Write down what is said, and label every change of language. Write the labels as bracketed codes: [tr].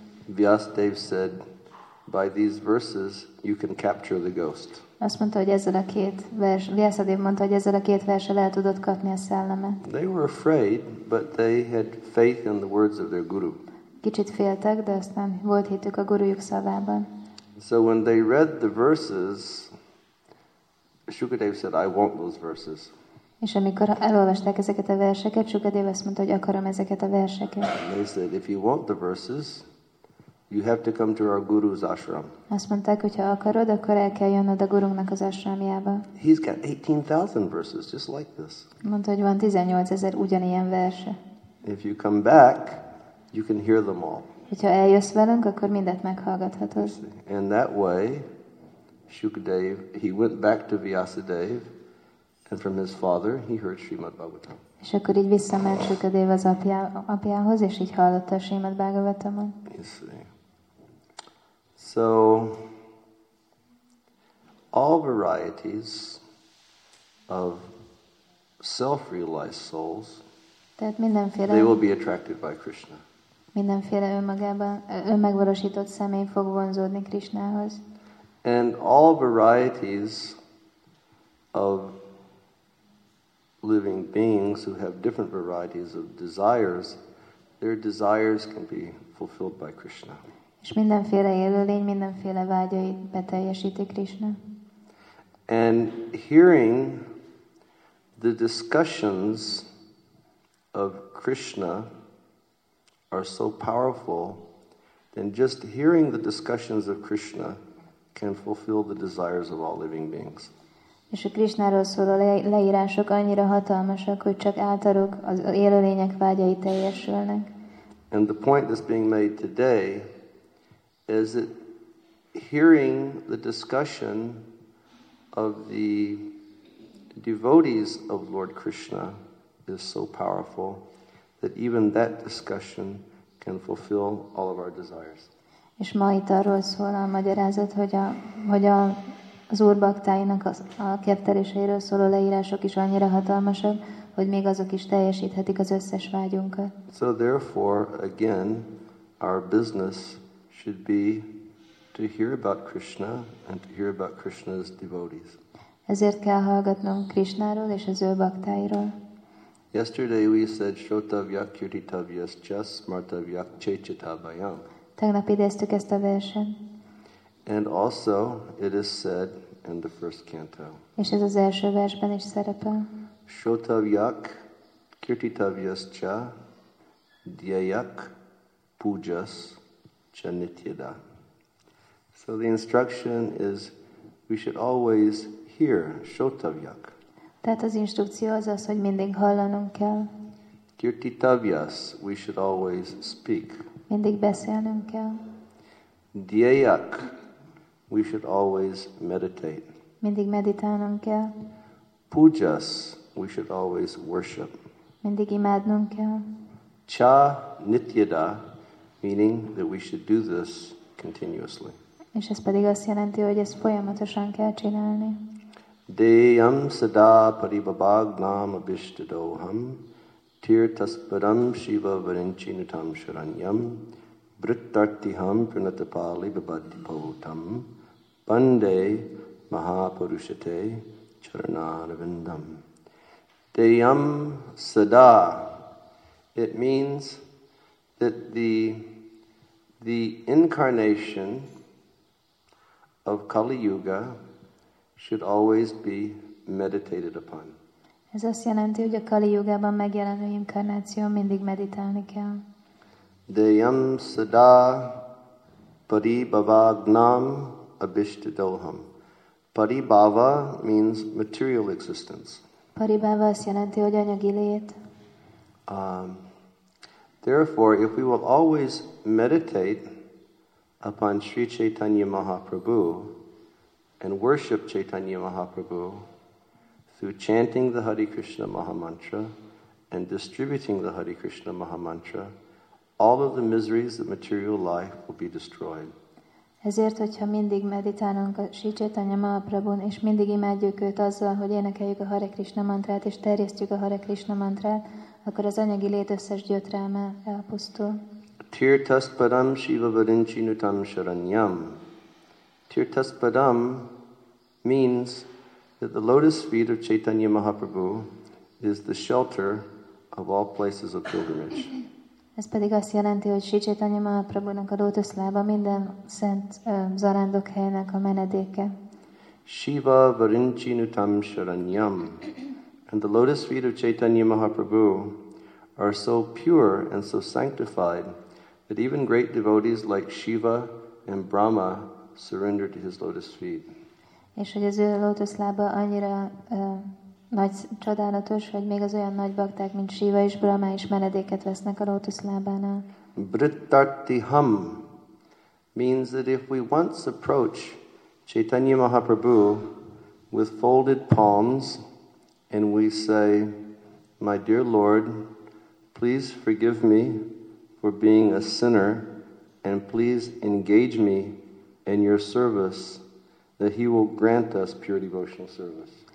[en] Vyasadev said, by these verses you can capture the ghost. [hu] Azt mondta, hogy ezzel a két vers, Vyasadev mondta, hogy ezzel a két versel el tudott kapni a szellemet. [en] They were afraid, but they had faith in the words of their guru. [hu] Kicsit féltek, de aztán volt hitük a gurujuk szavában. [en] So when they read the verses, Shukadev said, I want those verses. [hu] És amikor elolvasták ezeket a verseket, Sukadeva azt mondta, hogy akarom ezeket a verseket. [en] They said, if you want the verses, you have to come to our guru's ashram. [hu] Azt mondták, hogy ha akarod, akkor el kell jönnöd a gurunknak az ashramjába. [en] He's got 18,000 verses just like this. [hu] Mondta, hogy van 18,000 ugyanilyen verse. [en] If you come back, you can hear them all. [hu] Hogyha eljössz velünk, akkor mindet meghallgathatod. [en] And that way, Shukadev, he went back to Vyasadev, and from his father, he heard Srimad Bhagavatam. [hu] És akkor így visszament Shukadev az apjához, és így hallotta a Srimad Bhagavatamot. [en] You see. So, all varieties of self-realized souls, they will be attracted by Krishna. [hu] Mindenféle önmegvalósított személy fog vonzódni Krishnához. [en] And all varieties of living beings who have different varieties of desires, their desires can be fulfilled by Krishna. [hu] És mindenféle élőlény mindenféle vágyait beteljesíti Krishna. [en] And hearing the discussions of Krishna are so powerful, then just hearing the discussions of Krishna can fulfill the desires of all living beings. [hu] És a Krishnáról szóló leírások annyira hatalmasak, hogy csak általuk az élőlények vágyai teljesülnek. [en] And the point that's being made today is that hearing the discussion of the devotees of Lord Krishna is so powerful that even that discussion can fulfill all of our desires. [hu] És ma itt arról szól a magyarázat, hogy az úrbaktáinak a kefteléseiről szóló leírások is annyira hatalmasak, hogy még azok is teljesíthetik az összes vágyunkat. [en] So therefore, again, our business should be to hear about Krishna and to hear about Krishna's devotees. [hu] Ezért kell hallgatnom Krishnáról és az úrbaktáiról. [en] Yesterday we said, [sa] Shrotavya kirtitavya cha smartavya chechetavayam. [hu] Tegnap idéztük ezt a verset. [en] And also it is said in the first canto. [hu] És ez az első versben is szerepel. [sa] Shrotavyak kirtitavyascha dhyayak pujas cha nityada. [en] So the instruction is we should always hear Shrotavyak. [hu] Tehát az instrukció az, hogy mindig hallanunk kell. [en] Kirtitavyas, we should always speak. [hu] Mindig beszélnünk kell. [en] Dhyayak, we should always meditate. [hu] Mindig meditálnunk kell. [en] Pujas, we should always worship. [hu] Mindig imádnunk kell. [en] Cha nityada, meaning that we should do this continuously. [hu] És ez pedig azt jelenti, hogy ezt folyamatosan kell csinálni. [sa] Deyam sada paribabagnam abhishtadoham tirtasparam shiva varinchinutam sharanyam brittartiham pranatapali babadipotam pande mahapurushate charanarvindam. Deyam sada, [en] it means that the incarnation of Kali Yuga should always be meditated upon. [hu] Ez azt jelenti, hogy a Kali Yugában megjelenő inkarnáció mindig meditálni kell. [sa] Deyam sada paribhavagnam abhishtadoham. [en] Paribhava means material existence. [hu] Paribhava azt jelenti, hogy anyagi lét. [en] Therefore, if we will always meditate upon Sri Chaitanya Mahaprabhu and worship Chaitanya Mahaprabhu through chanting the Hare Krishna Maha Mantra and distributing the Hare Krishna Maha Mantra, all of the miseries of material life will be destroyed. [hu] Ezért, hogyha mindig meditálunk a Sri Chaitanya Mahaprabhun, és mindig imádjuk őt azzal, hogy énekeljük a Hare Krishna Mantrát, és terjesztjük a Hare Krishna Mantrát, akkor az anyagi lét összes gyötrelme elpusztul. [sa] Tirtaspadam Shiva Varinchinutam Sharanyam. [en] Tirtaspadam means that the lotus feet of Chaitanya Mahaprabhu is the shelter of all places of pilgrimage. [hu] Ez pedig azt jelenti, hogy Sri Chaitanya Mahaprabhunak a lótuszlába minden szent zarándokhelynek a menedéke. [sa] Shiva Varinchinutam Sharanyam. [en] And the lotus feet of Chaitanya Mahaprabhu are so pure and so sanctified that even great devotees like Shiva and Brahma surrender to his lotus feet. [hu] És hogy az ő lótuszlába annyira nagy csodálatos, hogy még az olyan nagy bakták, mint Shiva és Brahma is menedéket vesznek a lótuszlábánál. [en] Brittartiham means that if we once approach Chaitanya Mahaprabhu with folded palms and we say, my dear Lord, please forgive me for being a sinner and please engage me in your service, that he will grant us pure devotional service.